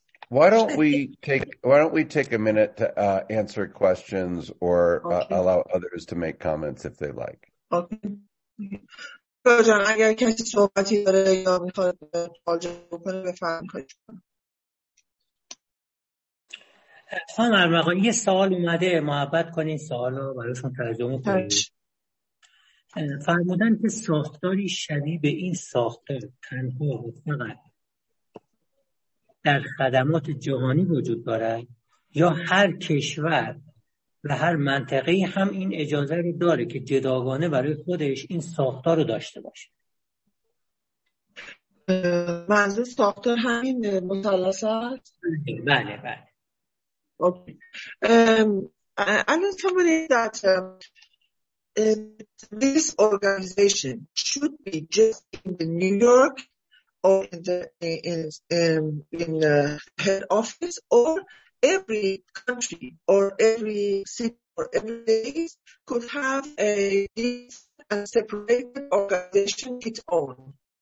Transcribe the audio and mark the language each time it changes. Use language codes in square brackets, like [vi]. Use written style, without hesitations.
[en] Why don't we take a minute to answer questions or allow others to make comments if they like. Okay. [fa] جان اگر کسی صحبتی داره یا میخواد سوال بپرسه بفرمایید. خانم ارمغان یه سوال اومده، محبت کنین سوالو براتون ترجمه کنید. فرمودن که ساختاری شبیه به این ساختار تنها فقط در خدمات جهانی وجود دارد یا هر کشور و هر منطقه هم این اجازه رو داره که جداگانه برای خودش این ساختار رو داشته باشه؟ منظور ساختار همین مثلث است؟ بله بله. [en] Okay. I'm somebody that this organization should be just in the New York or in the head office, or every country or every city or every place could have a separate organization its own.